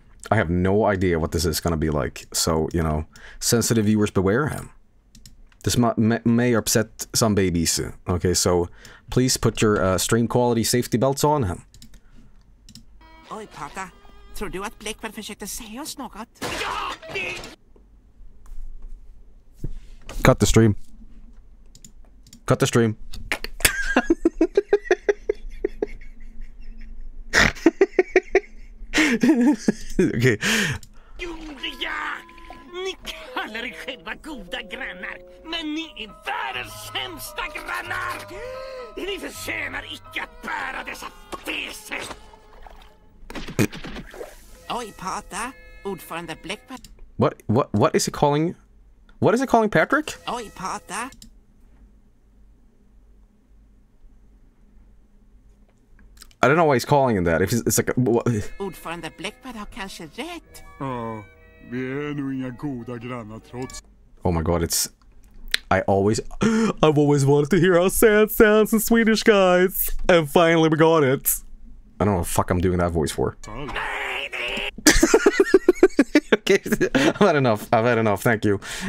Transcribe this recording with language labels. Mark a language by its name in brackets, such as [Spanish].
[English] I have no idea what this is going to be like. So, you know, sensitive viewers, beware him. This may upset some babies. Okay, so please put your stream quality safety belts on him. Oi, Pata. [Swedish] Tror du at Blakewell försökte säga oss något? [English] Cut the stream. Cut the stream. Okay. Julia! [Swedish] Ni kallar er själva goda grannar, men ni är världens sämsta grannar! Ni förtjänar icke att bära dessa feser! Oj, Pata. Ordförande Blackbird. [English] What is he calling? What is he calling Patrick? [Swedish] Oj, Pata. [English] I don't know why he's calling him that. If it's like a... [Swedish] Ordförande Blackbird har kanske rätt. Ja, vi är nog inga goda grannar trots... [English] Oh my god, it's... I've always wanted to hear how sad sounds in Swedish, guys. And finally we got it. I don't know what the fuck I'm doing that voice for. Okay, I've had enough, thank you.